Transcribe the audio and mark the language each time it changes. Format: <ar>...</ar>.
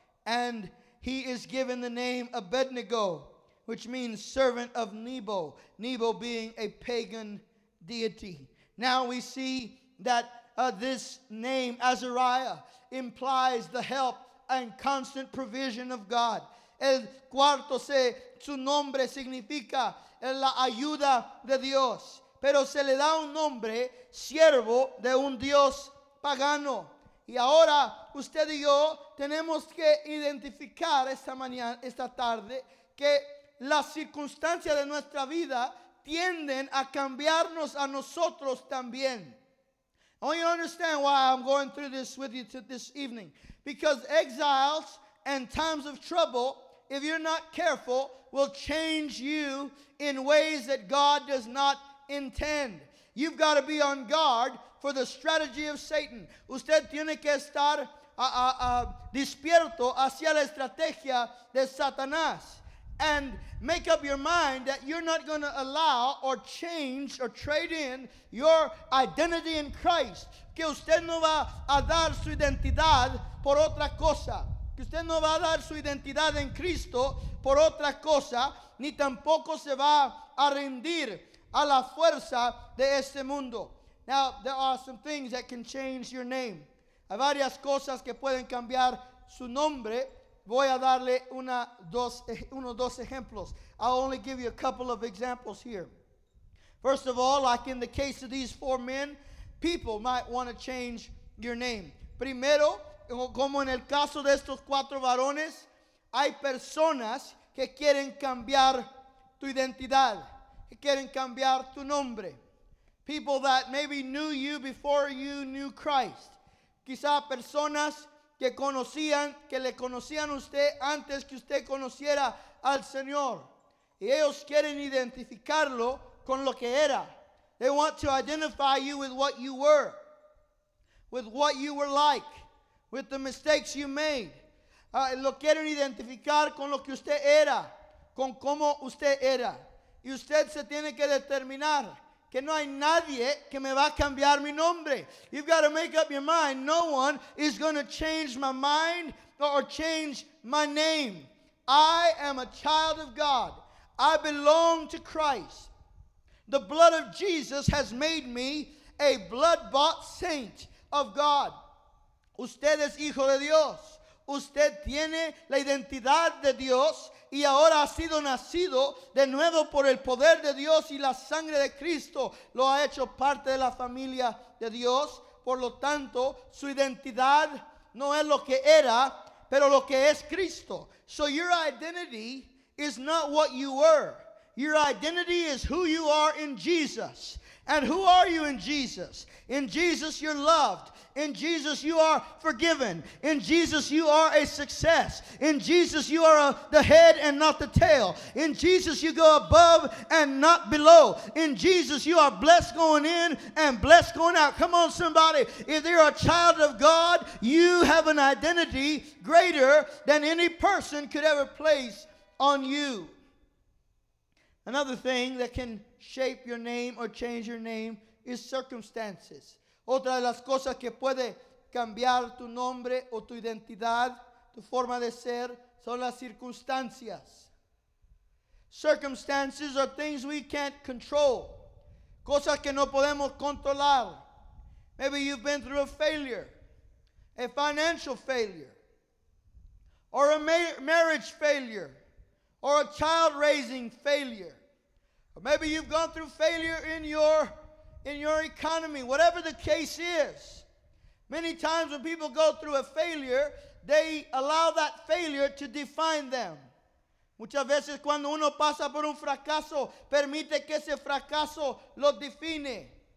<en>And he is given the name Abednego, which means servant of Nebo, Nebo being a pagan deity. Now we see that this name, Azariah, implies the help and constant provision of God.</en> <es>El cuarto se, su nombre significa la ayuda de Dios. Pero se le da un nombre, siervo de un Dios pagano. Y ahora usted y yo tenemos que identificar esta mañana, esta tarde, que las circunstancias de nuestra vida tienden a cambiarnos a nosotros también.</es> <en>I want you to understand why I'm going through this with you this evening. Because exiles and times of trouble, if you're not careful, will change you in ways that God does not intend. You've got to be on guard for the strategy of Satan.</en> <es>Usted tiene que estar despierto hacia la estrategia de Satanás.</es> <en>And make up your mind that you're not going to allow or change or trade in your identity in Christ.</en> <es>Que usted no va a dar su identidad por otra cosa. Que usted no va a dar su identidad en Cristo por otra cosa. Ni tampoco se va a rendir a la fuerza de este mundo.</es> <en>Now, there are some things that can change your name.</en> <es>Hay varias cosas que pueden cambiar su nombre. Voy a darle unos dos ejemplos.</es> <en>I'll only give you a couple of examples here. First of all, like in the case of these four men, people might want to change your name.</en> <es>Primero, como en el caso de estos cuatro varones, hay personas que quieren cambiar tu identidad, que quieren cambiar tu nombre.</es> <en>People that maybe knew you before you knew Christ.</en> <es>Quizá personas que conocían, que le conocían usted antes que usted conociera al Señor. Y ellos quieren identificarlo con lo que era.</es> <en>They want to identify you with what you were, with what you were like, with the mistakes you made.</en> <es>Lo quieren identificar con lo que usted era, con cómo usted era. Y usted se tiene que determinar que no hay nadie que me va a cambiar mi nombre.</es> <en>You've got to make up your mind. No one is going to change my mind or change my name. I am a child of God. I belong to Christ. The blood of Jesus has made me a blood-bought saint of God.</en> <es>Usted es hijo de Dios. Usted tiene la identidad de Dios y ahora ha sido nacido de nuevo por el poder de Dios y la sangre de Cristo lo ha hecho parte de la familia de Dios. Por lo tanto, su identidad no es lo que era, pero lo que es Cristo.</es> <en>So your identity is not what you were. Your identity is who you are in Jesus. And who are you in Jesus? In Jesus, you're loved. In Jesus, you are forgiven. In Jesus, you are a success. In Jesus, you are the head and not the tail. In Jesus, you go above and not below. In Jesus, you are blessed going in and blessed going out. Come on, somebody. If you're a child of God, you have an identity greater than any person could ever place on you. Another thing that can shape your name or change your name is circumstances.</en> <es>Otra de las cosas que puede cambiar tu nombre o tu identidad, tu forma de ser, son las circunstancias.</es> <en>Circumstances are things we can't control.</en> <es>Cosas que no podemos controlar.</es> <en>Maybe you've been through a failure, a financial failure, or a marriage failure, or a child raising failure. Or maybe you've gone through failure in your economy, whatever the case is. Many times when people go through a failure, they allow that failure to define them.</en> <es>Muchas veces cuando uno pasa por un fracaso, permite que ese fracaso lo define.</es>